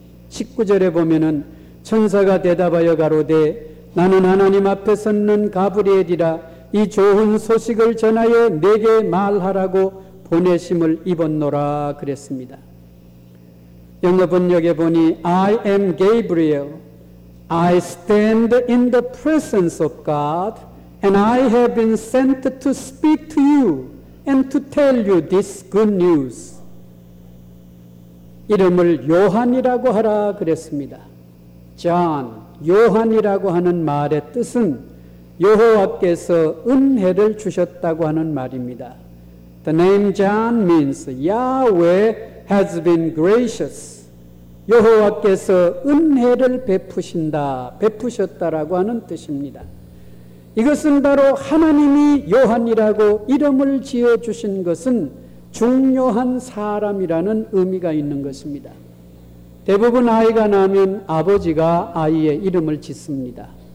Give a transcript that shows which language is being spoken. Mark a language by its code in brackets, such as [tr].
[ko] 19절에 보면은 천사가 대답하여 가로되 나는 하나님 앞에 섰는 가브리엘이라 이 좋은 소식을 전하여 내게 말하라고 보내심을 입었노라 그랬습니다. 영어 번역에 보니 [en] I am Gabriel. I stand in the presence of God and I have been sent to speak to you and to tell you this good news. [ko] 이름을 요한이라고 하라 그랬습니다. John, 요한이라고 하는 말의 뜻은 여호와께서 은혜를 주셨다고 하는 말입니다. [en] The name John means Yahweh has been gracious. [ko] 여호와께서 은혜를 베푸신다, 베푸셨다라고 하는 뜻입니다. 이것은 바로 하나님이 요한이라고 이름을 지어주신 것은 중요한 사람이라는 의미가 있는 것입니다. 대부분 아이가 나면 아버지가 아이의 이름을 짓습니다.